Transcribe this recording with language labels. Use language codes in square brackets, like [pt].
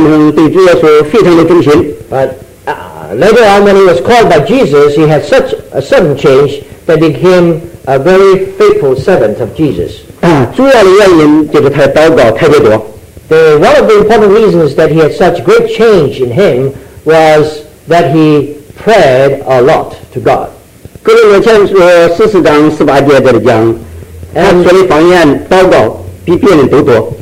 [zh] 忽然间就转变成对主耶稣非常的忠心。 [en] But later on, when he was called by Jesus, he had such a sudden change that became a very faithful servant of Jesus. [zh] 主要的原因就是他的祷告太多。 [en] One of the important reasons that he had such great change in him was that he prayed a lot to God. [zh] 哥林多前书40章18节这里讲，他说的方言祷告比别人都多。